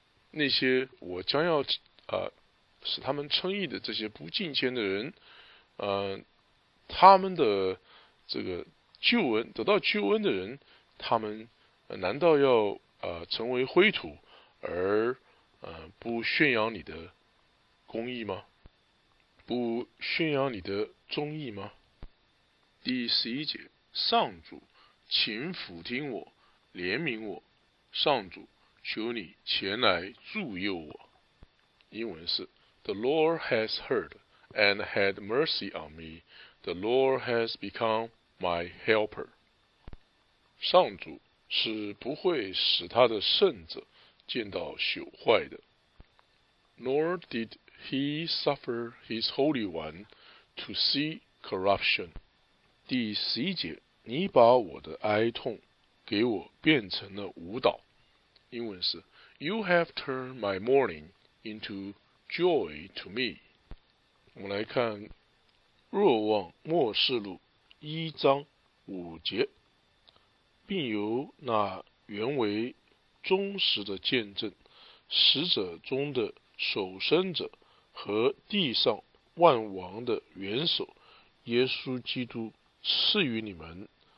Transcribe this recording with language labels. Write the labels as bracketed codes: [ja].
[zh] 那些我将要使他们称义的这些不敬虔的人他们的这个救恩，得到救恩的人，他们难道要成为灰土而不宣扬你的公义吗？不宣扬你的忠义吗？第十一节，上主，请俯听我，怜悯我，上主，求你前来助佑我。英文是 [en] The Lord has heard and had mercy on me. The Lord has become my helper. [zh] 上主是不会使他的圣者见到朽坏的。 [en] Nor did he suffer his holy one to see corruption. [zh] 第十一节，你把我的哀痛给我变成了舞蹈。英文是 [en] You have turned my mourning into joy to me. [zh] 我们来看若望末世录一章五节，并由那原为忠实的见证，使者中的守身者和地上万王的元首耶稣基督赐予你们，